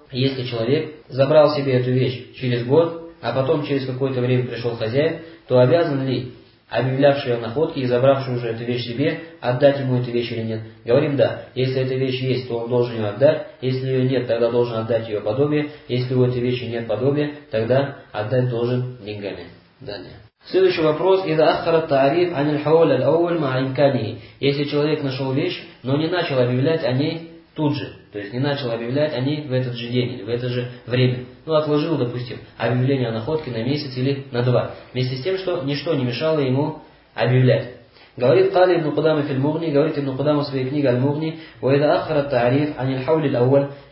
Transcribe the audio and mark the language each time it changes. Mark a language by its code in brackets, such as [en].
[ru] Если человек забрал себе эту вещь через год, а потом через какое-то время пришел хозяин, то обязан ли объявлявший о находке и забравший уже эту вещь себе отдать ему эту вещь или нет? Говорим да. Если эта вещь есть, то он должен ее отдать. Если ее нет, тогда должен отдать ее подобие. Если у этой вещи нет подобия, тогда отдать должен деньгами. Далее. Следующий вопрос. [ar] إذا أخر التعريف عن الحول الأول مع إمكانه. [ru] Если человек нашел вещь, но не начал объявлять о ней тут же, то есть не начал объявлять о ней в этот же день или в это же время. Ну, отложил, допустим, объявление о находке на месяц или на два. Вместе с тем, что ничто не мешало ему объявлять. Говорит Кали ибн Кудама фи аль-Мугни, говорит ибн Кудама в своей книге аль-Мугни, [ar] «Вайда ахара та'риф ани аль-хаули аль-ауаль».